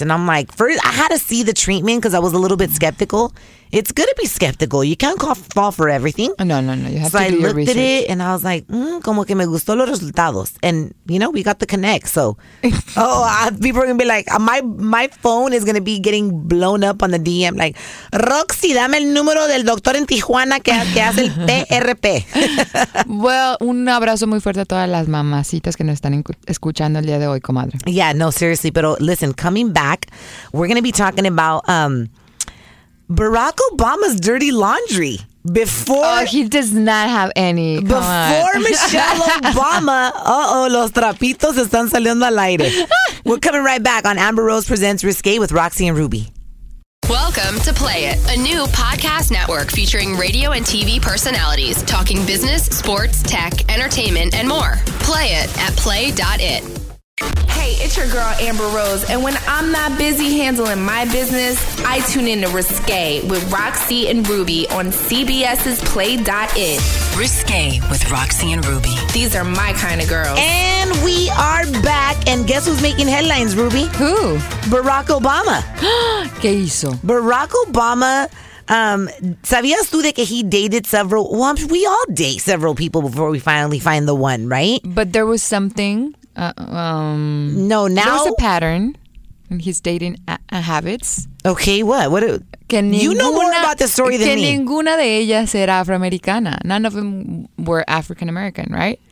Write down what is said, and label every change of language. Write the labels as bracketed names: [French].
[English] And I'm like, first, I had to see the treatment because I was a little bit skeptical. It's good to be skeptical. You can't fall for everything. No. You have to do your research. So I looked at it, and I was like, [Spanish] como que me gustó los resultados. [English] And, you know, we got the connect. So, people are going to be like, my phone is going to be getting blown up on the DM. [Spanish] Like, Roxy, dame el número del doctor en Tijuana que hace el PRP. Well, un abrazo muy fuerte a todas las mamacitas que nos están escuchando el día de hoy, comadre. [English] Yeah, no, seriously. Pero, listen, coming back, we're going to be talking about Barack Obama's dirty laundry. Before he does not have any. [Spanish] Before Michelle Obama, los trapitos están saliendo al aire. [English] We're coming right back on Amber Rose Presents Risqué with RaqC and Rubi. Welcome to Play It, a new podcast network featuring radio and TV personalities talking business, sports, tech, entertainment, and more. Play it at play.it. Hey, it's your girl Amber Rose, and when I'm not busy handling my business, I tune in to Risqué with RaqC and Rubi on CBS's Play.it. Risqué with RaqC and Rubi. These are my kind of girls. And we are back, and guess who's making headlines, Rubi? Who? Barack Obama. [Spanish] ¿Qué hizo? Barack Obama, ¿sabías tú de que [English] he dated several? Well, we all date several people before we finally find the one, right? But there was something. No, now there's a pattern in his dating habits. Okay, what? You know more about the story than me. [Spanish] Que ninguna de ellas era afroamericana. [English] None of them were African American, right?